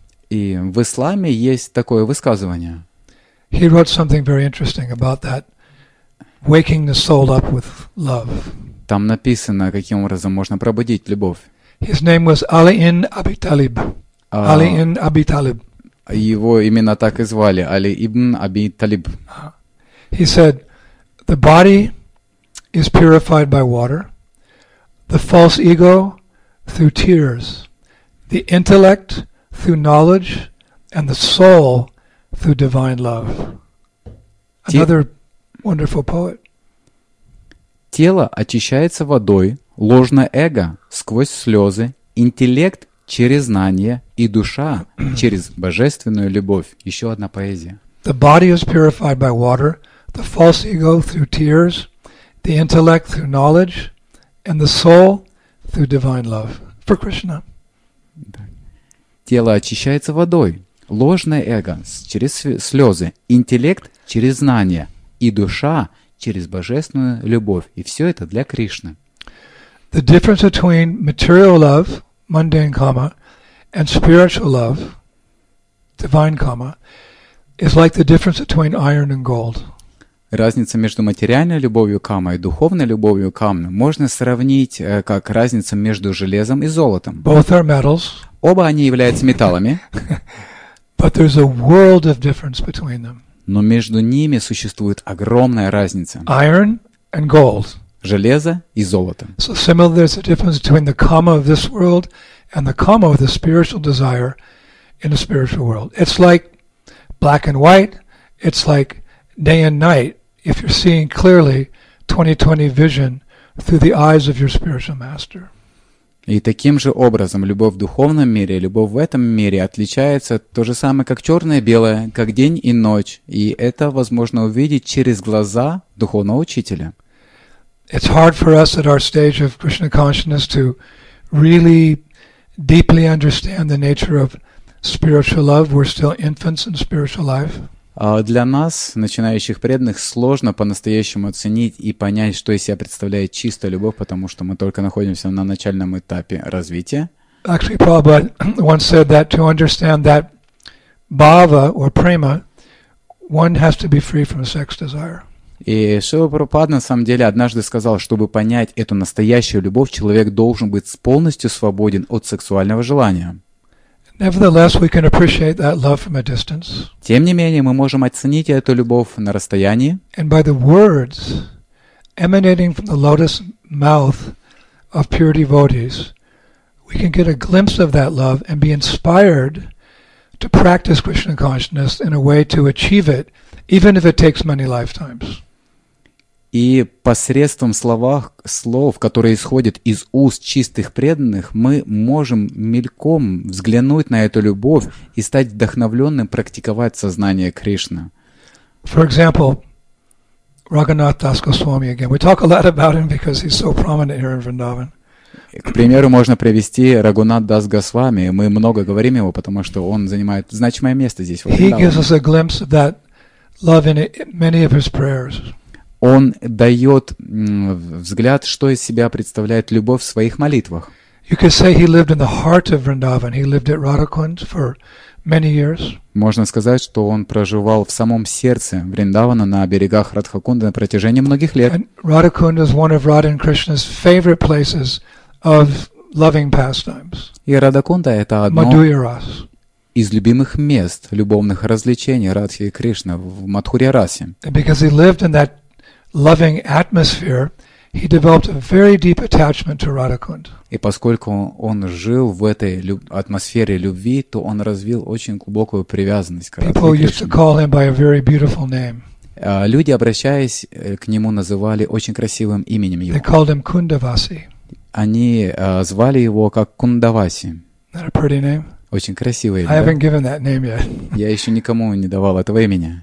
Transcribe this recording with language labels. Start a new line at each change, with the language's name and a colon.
Russian: И в исламе есть такое высказывание.
English: He wrote something very interesting about that, waking the soul up with love.
Russian: Там написано, каким образом можно пробудить любовь.
English: His name was Ali-ibn Abi Talib. Ali-ibn Abi Talib.
Russian: Его именно так и звали, Ali-ibn Abi Talib.
English: He said, the body is purified by water, the false ego through tears, the intellect through knowledge, and the soul through divine love. Another wonderful poet.
Russian: Тело очищается водой, ложное эго сквозь слезы, интеллект через знание и душа через божественную любовь. Еще одна поэзия.
English: The body is purified by water, the false ego through tears, the intellect through knowledge, and the soul through divine love for Krishna.
Russian: Тело очищается водой, ложное эго через слезы, интеллект через знание, и душа через божественную любовь, и все это для Кришны.
English: The difference between material love, mundane kama, and spiritual love, divine kama, is like the difference between iron and gold.
Russian: Разница между материальной любовью кама и духовной любовью кама можно сравнить как разница между железом и золотом.
English: Both are metals.
Russian: Оба они являются металлами.
English: But there's a world of difference between them.
Russian: Но между ними существует огромная разница.
English: Iron and gold.
Russian: Железо и золото.
English: So similarly, there's a difference between the kama of this world and the kama of the spiritual desire in the spiritual world. It's like black and white. It's like day and night, if you're seeing clearly 20/20 vision through the eyes of your spiritual master.
Russian: И таким же образом любовь в духовном мире, любовь в этом мире отличается то же самое, как черное и белое, как день и ночь, и это возможно увидеть через глаза духовного учителя.
English: It's hard for us at our stage of Krishna consciousness to really deeply understand the nature of spiritual love. We're still infants in spiritual life.
Russian: Для нас, начинающих преданных, сложно по-настоящему оценить и понять, что из себя представляет чистая любовь, потому что мы только находимся на начальном этапе развития.
English: Actually, Prabhupada once said that to understand that bhava or prema, one has to be free from sex desire.
Russian: И Шрила Прабхупада на самом деле однажды сказал, чтобы понять эту настоящую любовь, человек должен быть полностью свободен от сексуального желания.
English: Nevertheless, we can appreciate that love from a distance.
Russian: Тем не менее, мы можем оценить эту любовь на расстоянии.
English: And by the words emanating from the lotus mouth of pure devotees, we can get a glimpse of that love and be inspired to practice Krishna consciousness in a way to achieve it, even if it takes many lifetimes.
Russian: И посредством слов, которые исходят из уст чистых преданных, мы можем мельком взглянуть на эту любовь и стать вдохновленным практиковать сознание Кришны.
English: For example, Raghunath Das Goswami again. We talk a lot about him because he's so prominent here in Vrindavan.
Russian: К примеру, можно привести Рагунат Дас Госвами. Мы много говорим его, потому что он занимает значимое место здесь, в Вриндаване.
English: He gives us a glimpse of that love in many of his prayers.
Russian: Он дает взгляд, что из себя представляет любовь в своих молитвах.
English: You could say he lived in the heart of Vrindavan. He lived at Radhakund for many years.
Russian: Можно сказать, что он проживал в самом сердце Вриндавана на берегах Радхакунды на протяжении многих лет.
English: And Radhakund is one of Radha and Krishna's favorite places of loving pastimes.
Russian: И Радхакунда это одно Мадхурярас. Из любимых мест любовных развлечений Радхи и Кришны в Мадхурярасе. Because he lived in that loving atmosphere, he developed a very deep attachment to Radhakund. И поскольку он жил в этой атмосфере любви, то он развил очень глубокую привязанность к Радхе Кришне.
English: People used to call him by a very beautiful name.
Russian: Люди, обращаясь к нему, называли очень красивым именем его.
English: They called him Kundavasi.
Russian: Они звали его как Кундаваси.
English: That a pretty name?
Russian: Очень красивое имя.
English: I haven't given that name yet.
Russian: Я еще никому не давал этого имени.